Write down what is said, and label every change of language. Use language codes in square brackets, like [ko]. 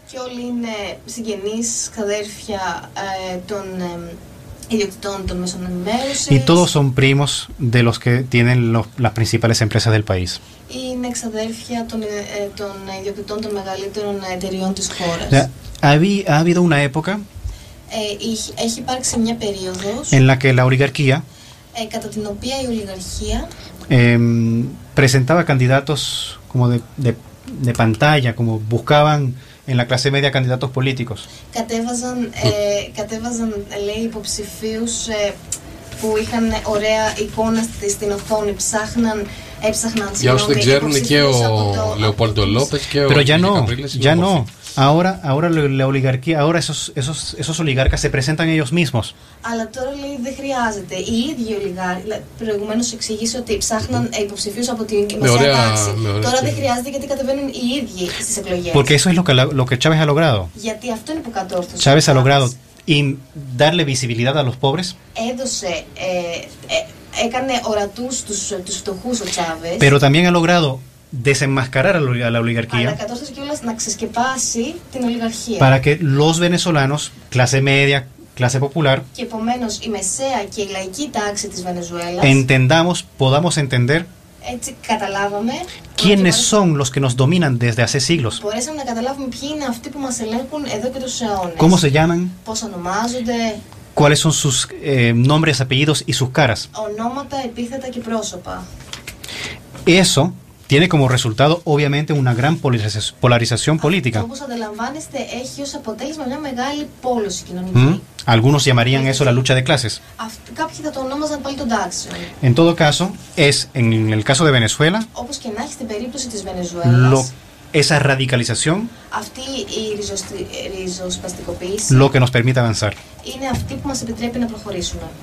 [el] Και όλοι είναι συγγενείς, ξαδέρφια των ιδιοκτητών των μέσων ενημέρωσης. [es] Y todos son primos de los que tienen las principales empresas del país. [el] Είναι εξαδέρφια των ιδιοκτητών των μεγαλύτερων εταιριών της χώρας. [es] Ha habido una época. [el] Έχει υπάρξει μια περίοδος. [es] En la que la oligarquía. [el] Κατά την οποία η ολιγαρχία. [es] Presentaba candidatos como de pantalla, como buscaban en la clase media candidatos políticos. [el] Κατέβαζαν λέει υποψηφίους που είχαν ωραία εικόνα στην οθόνη, ψάχναν. Για όσους δεν ξέρουν και ο Λεοπόλντο Λόπες και ο [es] Καπρίλης. Pero ya no. Ahora la oligarquía, ahora esos oligarcas se presentan ellos mismos. [el] Αλλά τώρα λέει δεν χρειάζεται. Οι ίδιοι ολιγάρχοι, προηγουμένως εξηγήσει ότι ψάχναν υποψηφίους από την μεσαία τάξη. Τώρα δεν χρειάζεται γιατί κατεβαίνουν οι ίδιοι στις εκλογές. [es] Porque eso es lo que Chávez ha logrado. [el] Γιατί αυτό είναι που κατόρθωσε. [es] Chávez ha logrado darle visibilidad a los pobres. [el] Έδωσε. Έκανε ορατούς τους φτωχούς ο Τσάβες. [es] Pero también ha logrado desenmascarar a la oligarquía. [el] Αλλά κατόρθωσε κιόλας να ξεσκεπάσει την ολιγαρχία. [es] Para que los venezolanos, clase media, clase popular. [el] Και επομένως η μεσαία και η λαϊκή τάξη της Βενεζουέλας. [es] Entendamos, podamos entender. [el] Έτσι καταλάβαμε. [es] Quiénes son los que nos dominan desde hace siglos. [el] Μπορέσαμε να καταλάβουμε ποιοι είναι αυτοί που μας ελέγχουν εδώ και τους αιώνες. [es] ¿Cómo se llaman? [el] Πώς ονομάζονται. [es] ¿Cuáles son sus nombres, apellidos y sus caras? [el] Ονόματα, επίθετα και πρόσωπα. [es] Eso tiene como resultado, obviamente, una gran polarización política. [el] Όπως αντιλαμβάνεστε, έχει ως αποτέλεσμα μια μεγάλη πόλωση κοινωνική. [es] Algunos llamarían eso la lucha de clases. [el] Κάποιοι θα το ονόμαζαν πάλι τον τάξιο. [es] En todo caso, es en el caso de Venezuela. [el] Όπως και να έχει στην περίπτωση της Βενεζουέλας. [es] Esa radicalización. [el] Αυτή η ριζοσπαστικοποίηση. [es] Lo que nos permite avanzar. [el] Είναι αυτή που μας επιτρέπει να προχωρήσουμε.